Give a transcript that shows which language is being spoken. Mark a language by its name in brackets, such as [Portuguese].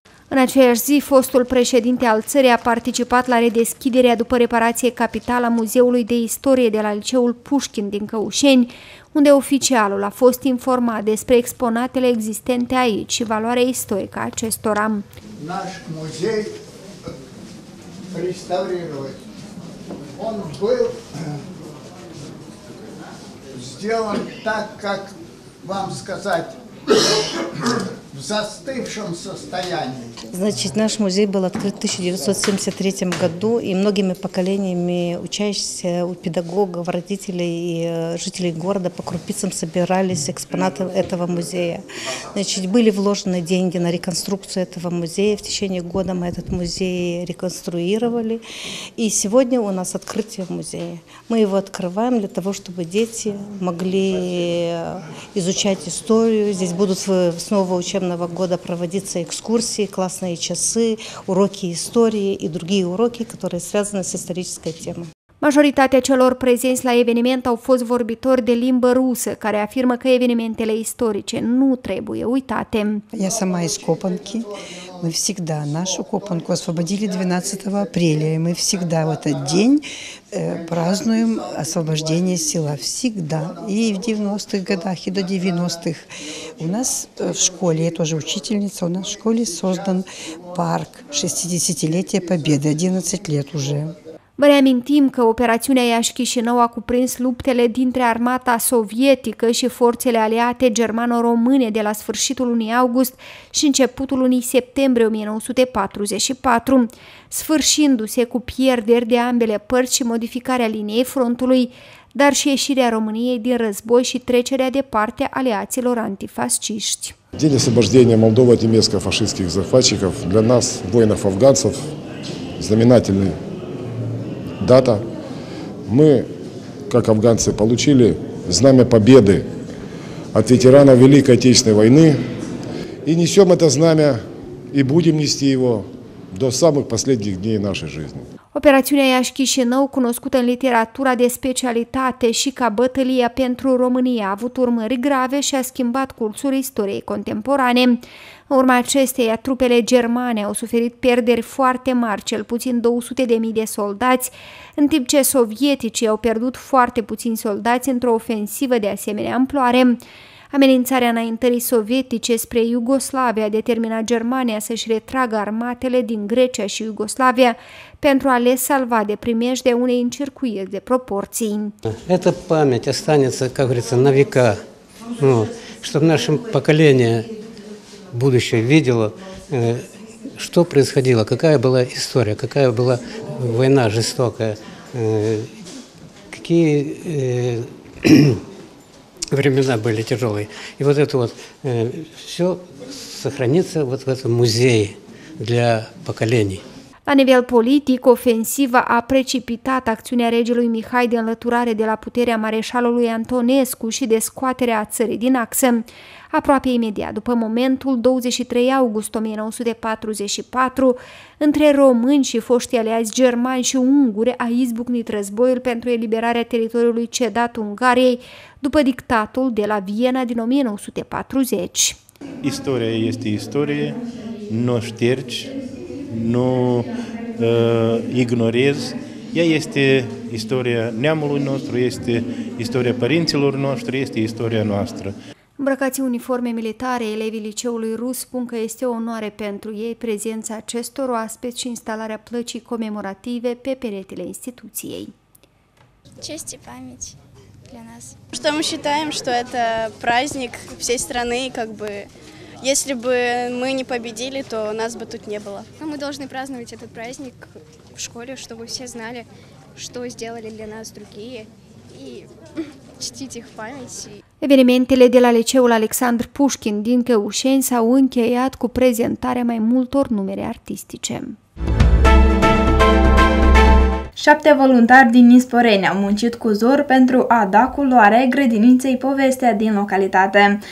[Romanian] În aceeași zi, fostul președinte al țării a participat la redeschiderea după reparație capitală a Muzeului de Istorie de la Liceul Pușkin din Căușeni, unde oficialul a fost informat despre exponatele existente aici și valoarea istorică a acestora. Naș muzei restaurirului. [Russian] Он был сделан так, как вам сказать, в застывшем состоянии. Значит, наш музей был открыт в 1973 году, и многими поколениями учащихся, у педагогов, родителей и жителей города по крупицам собирались экспонаты этого музея. Значит, были вложены деньги на реконструкцию этого музея. В течение года мы этот музей реконструировали. И сегодня у нас открытие музея. Мы его открываем для того, чтобы дети могли изучать историю. Здесь будут с нового учебного года проводиться экскурсии, классные часы, уроки истории и другие уроки, которые связаны с исторической темой. [Romanian] Majoritatea celor prezenți la eveniment au fost vorbitori de limbă rusă, care afirmă că evenimentele istorice nu trebuie uitate. [Russian] Я сама из Копанки. Мы всегда нашу Копанку освободили 12 апреля, и мы всегда в этот день празднуем освобождение села. Всегда. И в 90-х годах, и до 90-х. У нас в школе, я тоже учительница, у нас в школе создан парк 60-летия Победы, 11 лет уже. [Romanian] Vă reamintim că operațiunea Iași-Chișinău a cuprins luptele dintre armata sovietică și forțele aliate germano-române de la sfârșitul lunii august și începutul lunii septembrie 1944, sfârșindu-se cu pierderi de ambele părți și modificarea liniei frontului, dar și ieșirea României din război și trecerea de parte aliaților antifasciști. [Russian] День освобождения Молдовы от немецко-фашистских захватчиков для нас, воинов-афганцев, знаменательный. Дата. Мы, как афганцы, получили знамя победы от ветеранов Великой Отечественной войны и несем это знамя и будем нести его до самых последних дней нашей жизни. [Romanian] Operațiunea Iași-Chișinău, cunoscută în literatura de specialitate și ca bătălia pentru România, a avut urmări grave și a schimbat cursul istoriei contemporane. În urma acesteia, trupele germane au suferit pierderi foarte mari, cel puțin 200.000 de soldați, în timp ce sovieticii au pierdut foarte puțini soldați într-o ofensivă de asemenea amploare. Amenințarea înaintării sovietice spre Iugoslavia a determinat Germania să-și retragă armatele din Grecia și Iugoslavia pentru a le salva de primejdea unei încercuiri de proporții. [Russian] Эта память останется, как говорится, на века. Ну, чтобы наше поколение будущее видело, что происходило, какая была история, какая была война жестокая, какие времена были тяжелые. И вот это вот все сохранится вот в этом музее для поколений. [Romanian] La nivel politic, ofensiva a precipitat acțiunea regelui Mihai de înlăturare de la puterea mareșalului Antonescu și de scoaterea țării din axă. Aproape imediat după momentul 23 august 1944, între români și foști aliați germani și unguri a izbucnit războiul pentru eliberarea teritoriului cedat Ungariei după dictatul de la Viena din 1940. Istoria este istorie, nu ștergi, nu ignorezi. Ea este istoria neamului nostru, este istoria părinților noștri, este istoria noastră. Îmbrăcați uniforme militare, elevii liceului rus spun că este o onoare pentru ei prezența acestor oaspeți și instalarea plăcii comemorative pe peretele instituției. [Russian] Честь и память для нас. Что мы считаем, что это праздник всей страны, как бы если бы мы не победили, то нас бы тут не было. Мы должны праздновать этот праздник в школе, чтобы все знали, что сделали для нас другие и чтить их память. [Romanian] Evenimentele de la liceul Alexandru Pușkin din Căușeni s-au încheiat cu prezentarea mai multor numere artistice. 7 voluntari din Nisporeni au muncit cu zor pentru a da culoare grădiniței Povestea din localitate.